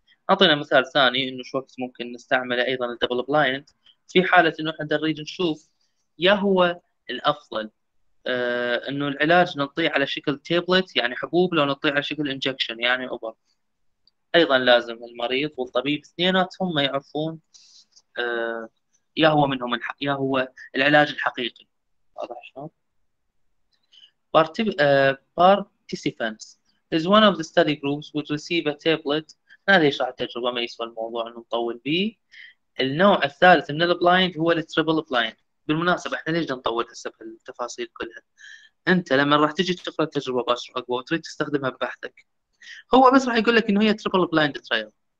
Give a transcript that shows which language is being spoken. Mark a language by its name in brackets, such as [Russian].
[Arabic] أعطينا مثال ثاني إنه شو وقت ممكن نستعمله أيضا الـ double blind في حالة إنه إحنا نريد نشوف يا هو الأفضل إنه العلاج نعطيه على شكل tablet يعني حبوب، لو نعطيه على شكل injection يعني أوبر. أيضا لازم المريض والطبيب اثنيناتهم ما يعرفون يا هو منهم يا هو العلاج الحقيقي. واضح شلون؟ [English] Participants is one of the study groups would receive a tablet. [Arabic] هذه يشرح التجربة، ما يسوى الموضوع انه نطول به. النوع الثالث من البلايند هو التريبل بلايند. بالمناسبة احنا ليش نطول هسه بالتفاصيل كلها؟ انت لما راح تجي تقرا التجربة باشر اقوى وتريد تستخدمها ببحثك، هو بس راح يقول لك انه هي تريبل بلايند ترايل.